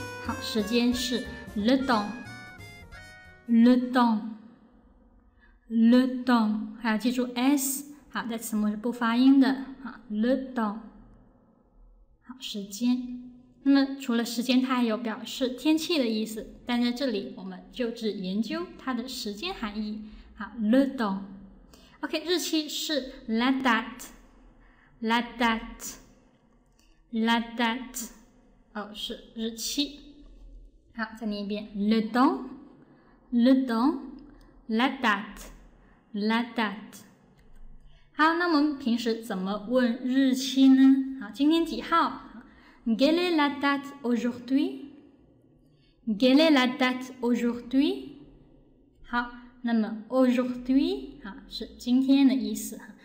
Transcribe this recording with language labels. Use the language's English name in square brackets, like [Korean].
[Chinese] 好，时间是 le temps， le temps， le temps， 还要记住 s， 好，在词末是不发音的，好， le temps， 好，时间。那么除了时间，它还有表示天气的意思，但在这里我们就只研究它的时间含义。好 ，le temps。 OK， 日期是 la date， la date， la date。哦，是日期。好，再念一遍 ，le temps， le temps， la date， la date。好，那我们平时怎么问日期呢？好，今天几号？ [French] Quelle est la date aujourd'hui? Quelle est la date aujourd'hui? [Chinese] 好，那么 aujourd'hui 啊是今天的意思。